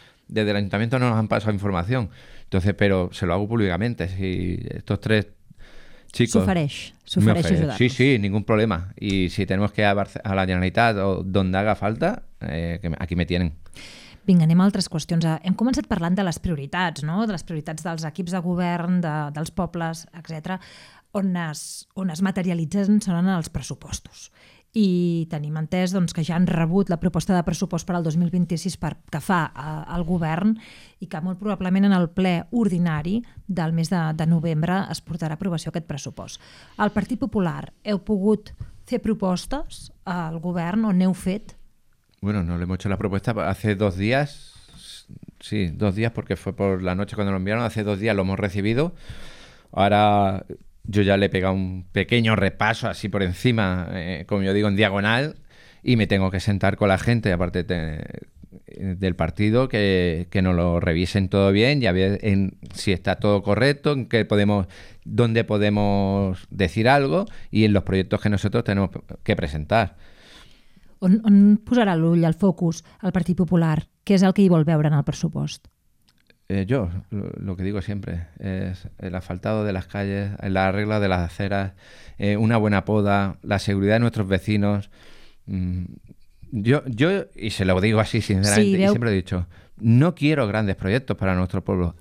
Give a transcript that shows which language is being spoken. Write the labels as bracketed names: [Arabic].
[Spanish] Desde el Ayuntamiento no nos han pasado información. Entonces, pero se lo hago públicamente. Si estos tres chicos... [Catalan] S'ofereix ajudar-nos. [Spanish] Sí, sí, ningún problema. Y si tenemos que ir a la Generalitat o donde haga falta, que aquí me tienen. [Catalan] Vinga, anem a altres qüestions. Hem començat parlant de les prioritats, no? De les prioritats dels equips de govern, dels pobles, etc. On es materialitzen són els pressupostos. I tenim entès que ja han rebut la proposta de pressupost per al 2026 que fa el govern, i que molt probablement en el ple ordinari del mes de novembre es portarà a aprovació aquest pressupost. Al Partit Popular, heu pogut fer propostes al govern o n'heu fet? [Spanish] Bueno, no le hemos hecho la propuesta hace dos días. Sí, dos días, porque fue por la noche cuando lo enviaron. Hace dos días lo hemos recibido. Ahora... Yo ya le he pegado un pequeño repaso así por encima, como yo digo, en diagonal, y me tengo que sentar con la gente, aparte del partido, que nos lo revisen todo bien y a ver si está todo correcto, en qué podemos, dónde podemos decir algo y en los proyectos que nosotros tenemos que presentar. [Catalan] On posarà l'ull, el focus, el Partit Popular? Què és el que hi vol veure en el pressupost? [Spanish] Yo, lo que digo siempre, es el asfaltado de las calles, la arregla de las aceras, una buena poda, la seguridad de nuestros vecinos. Yo y se lo digo así sinceramente, sí, veo... y siempre he dicho, no quiero grandes proyectos para nuestro pueblo.